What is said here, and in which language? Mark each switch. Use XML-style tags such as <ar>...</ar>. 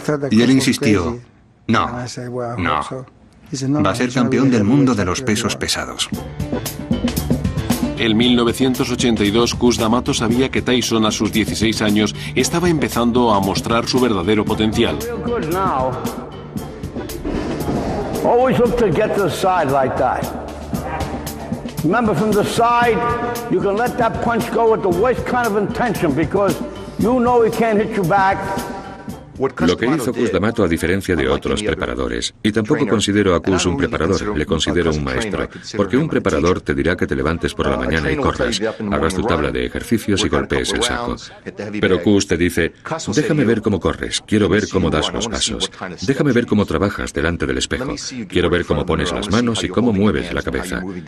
<es>Y él insistió: no, no, va a ser campeón del mundo de los pesos pesados. En 1982, Gus D'Amato sabía que Tyson, a sus 16 años, estaba empezando a mostrar su verdadero potencial.</es> <en>Always look to get the side like that. Remember, from the side, you can let that punch go with the worst kind of intention because you know he can't hit you back.</en> <es>Lo que hizo Gus D'Amato, a diferencia de otros preparadores, y tampoco considero a Gus un preparador, le considero un maestro, porque un preparador te dirá que te levantes por la mañana y corras, hagas tu tabla de ejercicios y golpees el saco. Pero Gus te dice: déjame ver cómo corres, quiero ver cómo das los pasos, déjame ver cómo trabajas delante del espejo, quiero ver cómo pones las manos y cómo mueves la cabeza.</es>